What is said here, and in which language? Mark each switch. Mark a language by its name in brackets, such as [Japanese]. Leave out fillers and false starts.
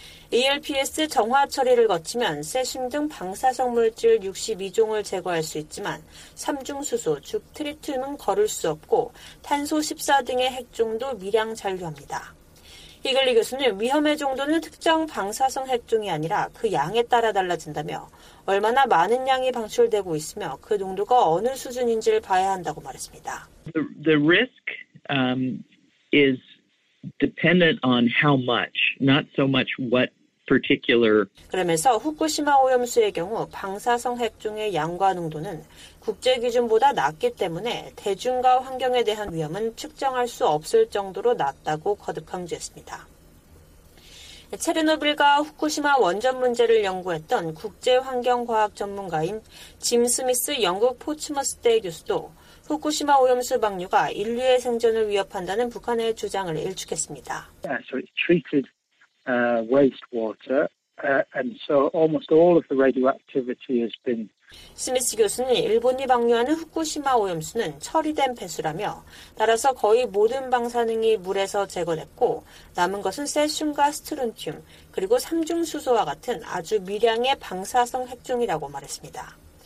[Korean] ALPS 정화 처리를 거치면 세슘 등 방사성 물질 62종을 제거할 수 있지만 삼중수소, 즉 트리튬은 거를 수 없고 탄소 14 등의 핵종도 미량 잔류합니다. 히글리 교수는 위험의 정도는 특정 방사성 핵 종이 아니라 그 양에 따라 달라진다며 얼마나 많은 양이 방출되고 있으며 그 농도가 어느 수준인지를 봐야 한다고 말했습니다. [English] The risk is dependent on how much, not so much what particular. [Korean] 그러면서 후쿠시마 오염수의 경우 방사성 핵종의 양과 농도는 국제 기준보다 낮기 때문에 대중과 환경에 대한 위험은 측정할 수 없을 정도로 낮다고 거듭 강조했습니다. 체르노빌과 후쿠시마 원전 문제를 연구했던 국제환경과학 전문가인 짐 스미스 영국 포츠머스대 교수도 후쿠시마 오염수 방류가 인류의 생존을 위협한다는 북한의 주장을 일축했습니다. [English] So it's treated wastewater, and so almost all of the radioactivity has been. [Korean] 스미스 교수는 일본이 방류하는 후쿠시마 오염수는 처리된 폐수라며 따라서 거의 모든 방사능이 물에서 제거됐고 남은 것은 세슘과 스트론튬 그리고 삼중수소와 같은 아주 미량의 방사성 핵종이라고 말했습니다.